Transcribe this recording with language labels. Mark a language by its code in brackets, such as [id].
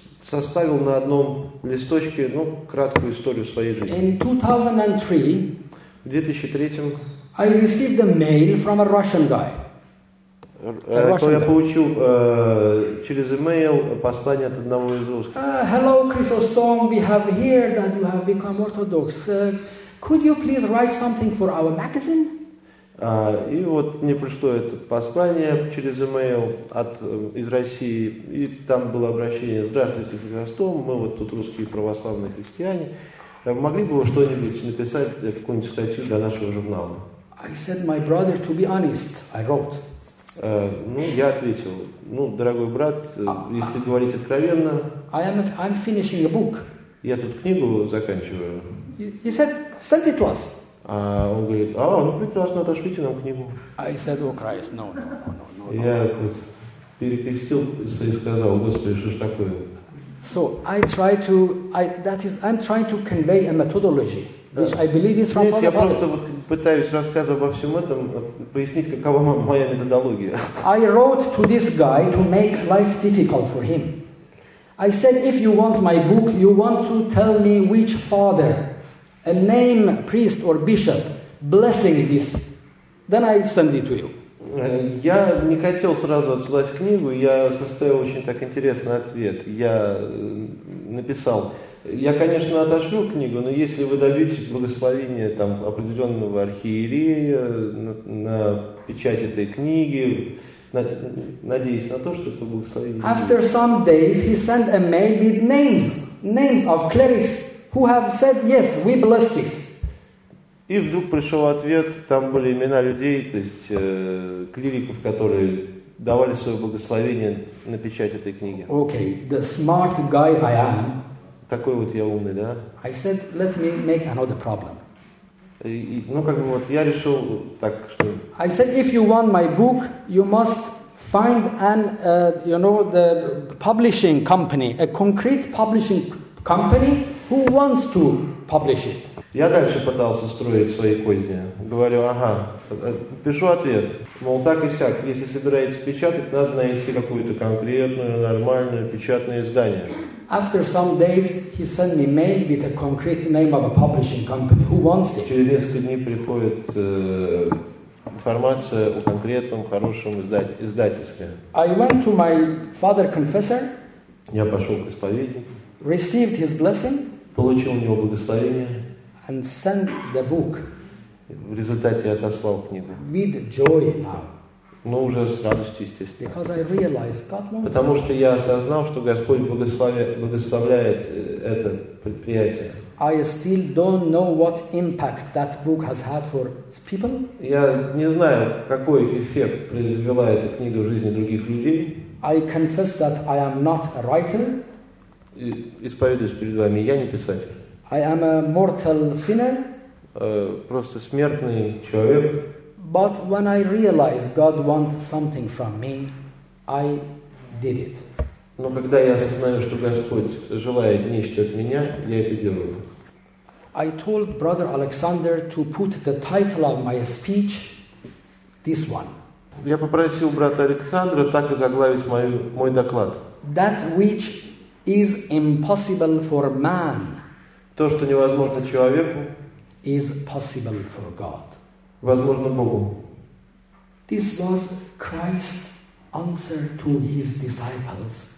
[ru] составил на одном листочке, ну, краткую историю своей жизни. [en] In 2003, [ru] в 2003 [en] I received a mail from a Russian guy. [ru] Я получил через email послание от одного из русских. [en] Hello, Chrysostom, we have heard that you have become Orthodox. Could you please write something for our magazine? [ru] И вот мне пришло это послание через email от из России, и там было обращение: «Здравствуйте, Хрисостом, мы вот тут русские православные христиане, могли бы вы что-нибудь написать, какую-нибудь статью для нашего журнала?» [en] I said, my brother, to be honest, I wrote. [ru] Ну, я ответил: ну, дорогой брат, если говорить откровенно, [en] I'm finishing a book. [ru] Я тут книгу заканчиваю. [en] He said, send it to us. [ru] А он говорит: а, ну прекрасно, отошлите нам книгу. [en] I said, oh Christ, no. [ru] Я вот перекрестился и сказал: Господи, что ж такое? [en] So I'm trying to convey a methodology, which I believe is from Father Paul. [ru] Нет, я просто вот пытаюсь, рассказывая обо всем этом, пояснить, какова моя методология. [en] I wrote to this guy to make life difficult for him. I said, if you want my book, you want to tell me which father, a name, priest or bishop, blessing this, then I send it to you. [ru] Я не хотел сразу отсылать книгу, я составил очень так интересный ответ. Я написал: я, конечно, отошлю книгу, но если вы добьетесь благословения там определенного архиерея на печать этой книги, надеясь на то, что это благословение. [en] After some days, he sent a mail with names of clerics who have said yes, we bless this. [ru] И вдруг пришел ответ, там были имена людей, то есть клириков, которые давали свое благословение на печать этой книги. [en] Okay, the smart guy I am. [ru] Такой вот я умный, да? [en] I said, let me make another problem. [ru] Ну, как бы вот я решил так, что... [en] I said, if you want my book, you must find an, you know, the publishing company, a concrete publishing company who wants to publish it. [ru] Я дальше пытался строить свои козни. Говорю: ага, пишу ответ. Мол, так и сяк, если собираетесь печатать, надо найти какую-то конкретную, нормальную печатное издание. [en] After some days, he sent me mail with a concrete name of a publishing company who wants it. [ru] Через несколько дней приходит информация о конкретном хорошем издательстве. [en] I went to my father confessor. [ru] Я пошел к исповеднику. [en] Received his blessing. [ru] Получил у него благословение. [en] And sent the book. [ru] В результате я отослал книгу. [en] With joy now. [ru] Но уже с радостью, естественно. [en] Because I realized, God knows. [ru] Потому что я осознал, что Господь благословляет это предприятие. [en] I still don't know what impact that book has had for people. [ru] Я не знаю, какой эффект произвела эта книга в жизни других людей. [en] I confess that I am not a writer. [ru] Исповедуюсь перед вами, я не писатель. [en] I am a mortal sinner. [ru] Просто смертный человек. [en] But when I realized God wants something from me, I did it. [ru] Но когда я осознаю, что Господь желает нечто от меня, я это делаю. [en] I told Brother Alexander to put the title of my speech, this one. [ru] Я попросил брата Александра так и заглавить мой доклад. [en] That which is impossible for man. [ru] То, что невозможно человеку, [en] is possible for God. [ru] Возможно, Богу. [en] This was Christ's answer to his disciples.